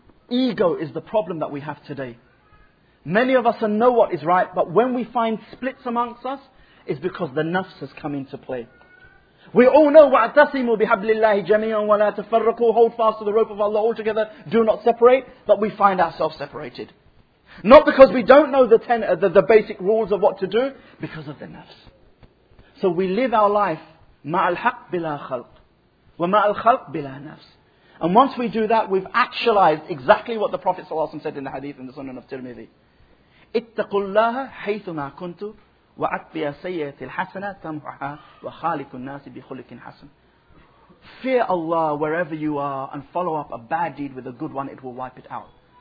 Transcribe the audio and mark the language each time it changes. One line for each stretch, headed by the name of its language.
English: Ego is the problem that we have today. Many of us know what is right, but when we find splits amongst us, it's because the nafs has come into play. We all know,
Arabic: وَعْتَصِمُوا بِحَبْلِ اللَّهِ جَمِيعًا وَلَا تَفَرَّقُوا,
English: hold fast to the rope of Allah altogether, do not separate, but we find ourselves separated. Not because we don't know the basic rules of what to do, because of the nafs.
Arabic: So we live our life, مَعَ الْحَقِّ بِلَا خَلْقٍ وَمَعَ الْخَلْقِ بِلَا نَفْسٍ.
English: And once we do that, we've actualized exactly what the Prophet ﷺ said in the hadith in the Sunan of Tirmidhi.
Arabic: اتَّقُوا اللَّهَ حَيْثُمَا كُنْتُ وَعَتْبِيَ سَيَّتِ الْحَسَنَةِ تَمْحُحَا وَخَالِكُ النَّاسِ بِخُلِكٍ حَسَنٍ.
English: Fear Allah wherever you are and follow up a bad deed with a good one, it will wipe it out.